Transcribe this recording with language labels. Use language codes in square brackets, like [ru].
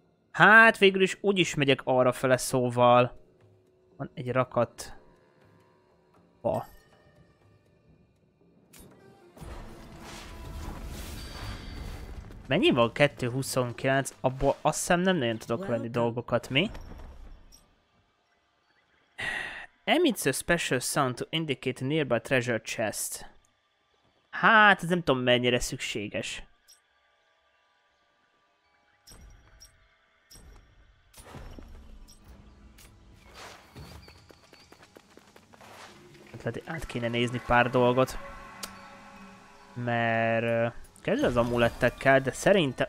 [hu] Hát végül is úgy is megyek arra fele, szóval van egy rakat fa. Mennyi van 229? Abból azt hiszem nem nagyon tudok venni dolgokat, mi? [en] Emits a special sound to indicate a nearby treasure chest. [hu] Hát, ez nem tudom mennyire szükséges. Tehát át kéne nézni pár dolgot. Mert kezdve az amulettekkel, de szerintem...